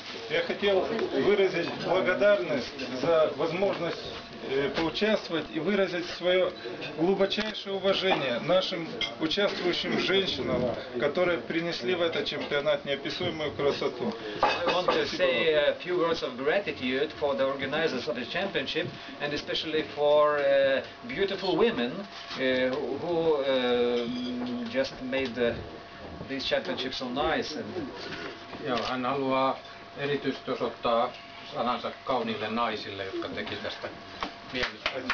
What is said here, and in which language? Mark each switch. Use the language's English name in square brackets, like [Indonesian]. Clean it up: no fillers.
[Russian] Я хотел выразить благодарность за возможность поучаствовать и выразить свое глубочайшее уважение нашим участвующим женщинам, которые принесли в этот чемпионат неописуемую красоту. [English] I want to say a few words of gratitude for the organizers of the championship and especially for beautiful women who just made this championship so nice. [Finnish] And haluaa erityisesti osoittaa sanansa kauniille naisille, jotka teki tästä mielestä.